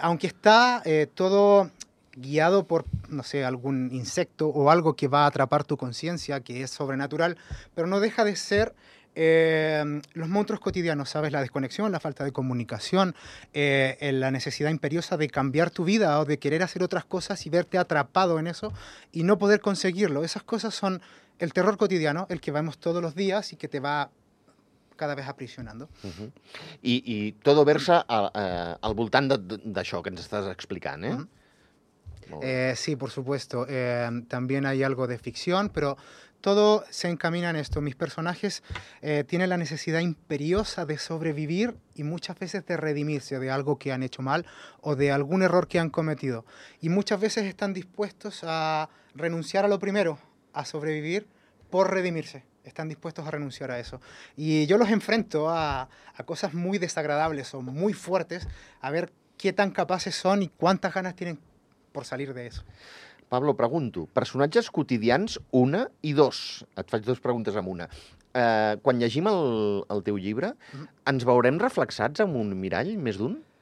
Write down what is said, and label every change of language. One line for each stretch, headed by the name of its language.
Spanish: Aunque está todo guiado por, no sé, algún insecto o algo que va a atrapar tu conciencia, que es sobrenatural, pero no deja de ser los monstruos cotidianos, ¿sabes? La desconexión, la falta de comunicación, la necesidad imperiosa de cambiar tu vida o de querer hacer otras cosas y verte atrapado en eso y no poder conseguirlo. Esas cosas son el terror cotidiano, el que vemos todos los días y que te va cada vez aprisionando. Uh-huh. Y todo versa
Catalan: al voltant d'això que ens estàs explicant, ¿eh? Uh-huh.
Spanish: Sí, por supuesto. También hay algo de ficción, pero todo se encamina en esto. Mis personajes tienen la necesidad imperiosa de sobrevivir y muchas veces de redimirse de algo que han hecho mal o de algún error que han cometido. Y muchas veces están dispuestos a renunciar a lo primero, a sobrevivir por redimirse. Están dispuestos a renunciar a eso. Y yo los enfrento a cosas muy desagradables o muy fuertes, a ver qué tan
Catalan: capaces són i quantes ganes tenen per salir d'això. Pablo, pregunto, personatges quotidians, una i dos. Et faig dues preguntes en una. Quan llegim el teu llibre, ens veurem reflexats en un mirall, més d'un?